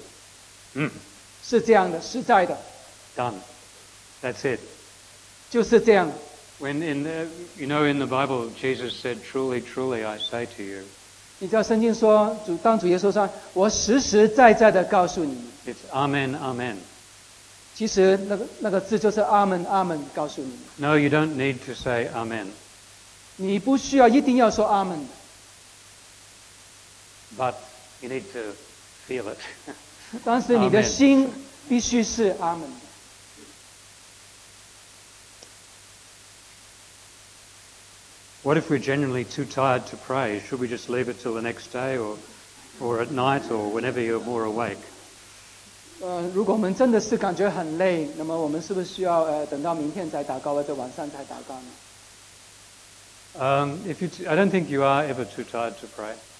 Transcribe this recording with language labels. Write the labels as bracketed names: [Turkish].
[Chinese] 阿门就是愿此成就。是这样的，实在的。 [English] Done. That's it. [Chinese] 就是这样。 [English] When in the Bible, Jesus said, "Truly, truly, I say to you." [Chinese] 你知道圣经说，主当主耶稣说，我实实在在的告诉你。 [English] It's Amen, Amen. [Chinese] 其实那个字就是阿门，阿门，告诉你。 [English] No, you don't need to say Amen. [Chinese] 你不需要一定要说阿门。 [English] But you need to feel it. [Chinese] 但是你的心必须是阿门。 [English] What if we're genuinely too tired to pray? Should we just leave it till the next day or at night or whenever you're more awake? [Chinese] 如果我们真的是感觉很累，那么我们是不是需要 等到明天再祷告，或者晚上再祷告呢？ [English] I don't think you are ever too tired to pray.